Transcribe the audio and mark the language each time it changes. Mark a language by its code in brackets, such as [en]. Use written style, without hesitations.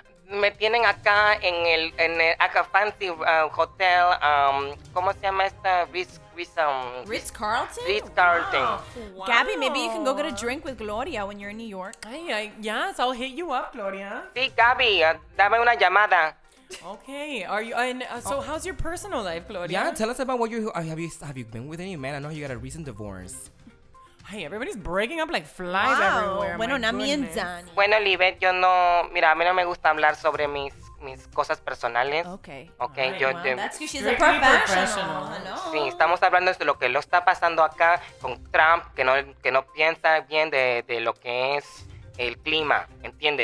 [es] Me tienen acá en el acá [en] fancy hotel. [es] ¿Cómo se llama esta? Ritz-Carlton? Ritz-Carlton. [en] Wow. Gabby, maybe you can go get a drink with Gloria when you're in New York. Yes, I'll hit you up, Gloria. [es] Sí, Gabby, dame una llamada. [en] Okay. Are you? And so, how's your personal life, Gloria? Yeah. Tell us about what you have. Have you been with any man? I know you got a recent divorce. Hey, everybody's breaking up like flies wow. everywhere. [es] Bueno, [en] not me and Danny. [es] Bueno, Libet, yo no. Mira, a mí no me gusta hablar sobre mis mis cosas personales. [en] Okay. Right. Yo, well, that's because she's a professional. [es] Sí, estamos hablando de lo que lo está pasando acá con Trump, que no piensa bien de lo que es el clima, ¿entiendes?